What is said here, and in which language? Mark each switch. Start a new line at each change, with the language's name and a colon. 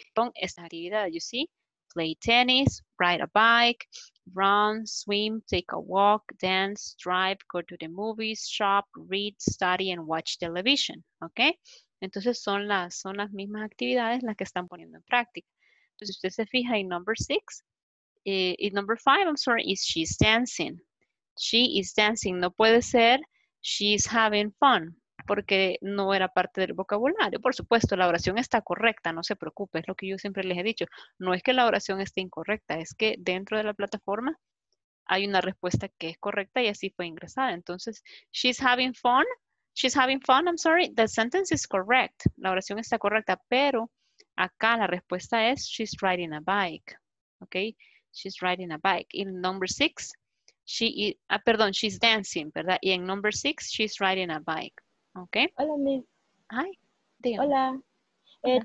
Spanish: Con esta actividad,
English: you see? Play tennis, ride a bike, run, swim, take a walk, dance, drive, go to the movies, shop, read, study, and watch television. Okay?
Spanish: Entonces son las mismas actividades las que están poniendo en práctica. Entonces usted se fija en number six.
English: In number five, I'm sorry, is she's dancing. She is dancing.
Spanish: No puede ser
English: she's having fun
Spanish: porque no era parte del vocabulario. Por supuesto, la oración está correcta, no se preocupe, es lo que yo siempre les he dicho. No es que la oración esté incorrecta, es que dentro de la plataforma hay una respuesta que es correcta y así fue ingresada.
English: Entonces, she's having fun, I'm sorry, the sentence is correct.
Spanish: La oración está correcta, pero acá la respuesta es
English: she's riding a bike, okay? She's riding a bike. In number six, she's dancing, ¿verdad? Y en number six, she's riding a bike. Okay.
Spanish: Hola, Miss.
English: Hi.
Spanish: Hola. Hola.